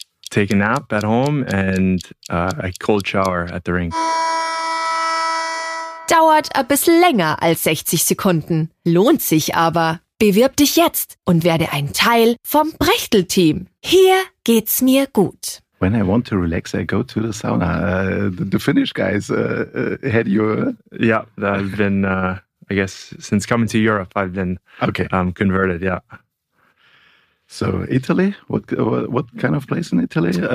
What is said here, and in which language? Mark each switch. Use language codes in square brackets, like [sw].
[en] Take a nap at home and a cold shower at the rink. [de] Dauert ein bisschen länger als 60 Sekunden, lohnt sich aber. Bewirb dich jetzt und werde ein Teil vom Brechtl-Team. Hier geht's mir gut. [en] When I want to relax, I go to the sauna. The Finnish guys had you. Yeah, I've been, I guess, since coming to Europe, I've been okay. Converted, yeah. So Italy, what kind of place in Italy?